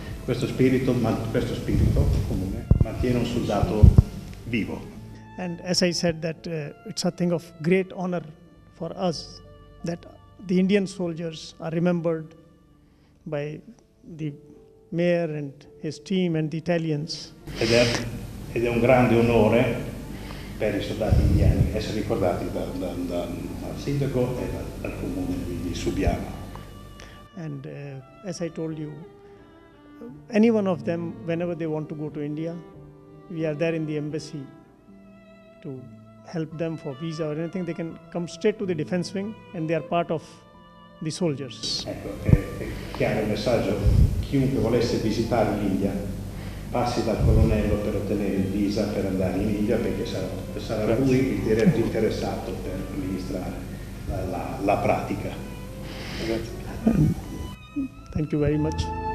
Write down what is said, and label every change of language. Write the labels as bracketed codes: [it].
[it] Questo spirito comune mantiene un soldato vivo. [en] And as I said that it's a thing of great honor for us that the Indian soldiers are remembered by the mayor and his team and the Italians. [it] Ed è un grande onore per i soldati indiani essere ricordati dal sindaco e dal comune di Subiano. [en] And as I told you, any one of them, whenever they want to go to India, we are there in the embassy to help them for visa or anything, they can come straight to the defense wing and they are part of the soldiers. [it] Ecco, è chiaro il messaggio. Chiunque volesse visitare l'India passi dal colonnello per ottenere il visa per andare in India, perché sarà lui il diretto interessato per amministrare la pratica. Grazie. [en] Thank you very much.